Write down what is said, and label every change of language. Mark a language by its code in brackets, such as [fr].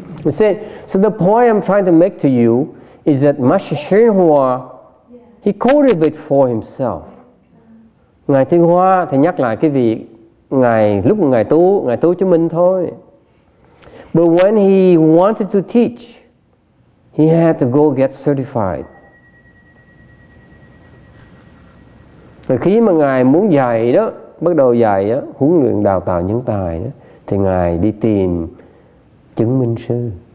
[en] So the point I'm trying to make to you is that Master Xinhua, he cultivated for himself. [vi] Ngài Tinh Hoa thì nhắc lại cái việc Ngài, lúc Ngài tu cho mình thôi. [en] But when he wanted to teach, he had to go get certified. [vi] Và khi mà Ngài muốn dạy đó, bắt đầu dạy đó, huấn luyện đào tạo nhân tài đó, thì Ngài đi tìm chứng minh sư.